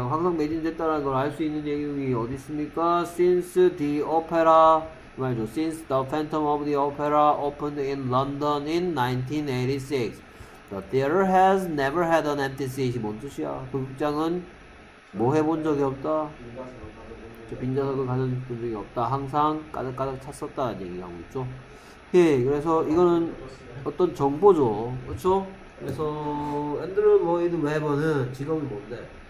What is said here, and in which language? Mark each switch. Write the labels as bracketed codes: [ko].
[ko] 항상 매진됐다라는 걸 알 수 있는 내용이 어디 있습니까? [en] Since the opera, 말이죠. Since the Phantom of the Opera opened in London in 1986, the theater has never had an empty seat. [ko] 뭔 뜻이야? 그 극장은 뭐 해본 적이 없다. 빈자석을 가져본 적이 없다. 항상 까닥까닥 찼었다는 얘기가 있죠. 예, 그래서 이거는 어떤 정보죠. 그렇죠? 그래서 앤드루 로이드 웨버는 직업이 뭔데?